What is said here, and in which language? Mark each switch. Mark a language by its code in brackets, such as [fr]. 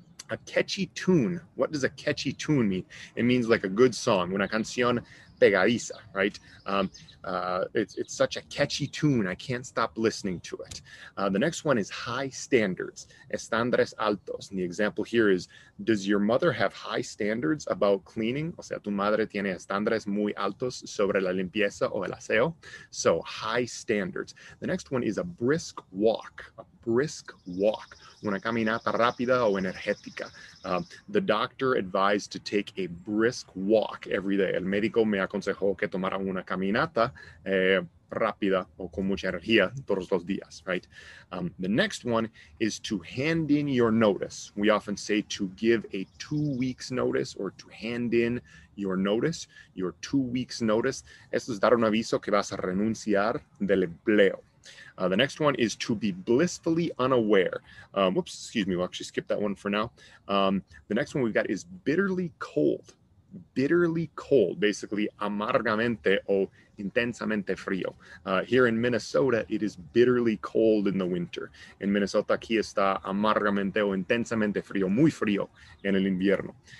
[en] A catchy tune. What does a catchy tune mean? It means like a good song. [es] Una canción Pegadiza, [en] right? It's such a catchy tune. I can't stop listening to it. The next one is High Standards, [es] Estándares Altos. [en] And the example here is, does your mother have high standards about cleaning? [es] O sea, tu madre tiene estándares muy altos sobre la limpieza o el aseo. [en] So high standards. The next one is a brisk walk. Brisk walk, [es] una caminata rápida o energética. [en] The doctor advised to take a brisk walk every day. [es] El médico me aconsejó que tomara una caminata rápida o con mucha energía todos los días, right? [en] The next one is to hand in your notice. We often say to give a 2 weeks notice or to hand in your notice, your 2 weeks notice. [es] Esto es dar un aviso que vas a renunciar del empleo. [en] The next one is to be blissfully unaware. We'll actually skip that one for now. The next one we've got is bitterly cold. Bitterly cold, basically [es] amargamente o intensamente frío. [en] Here in Minnesota, it is bitterly cold in the winter. [es] In Minnesota, aquí está amargamente o intensamente frío, muy frío en el invierno.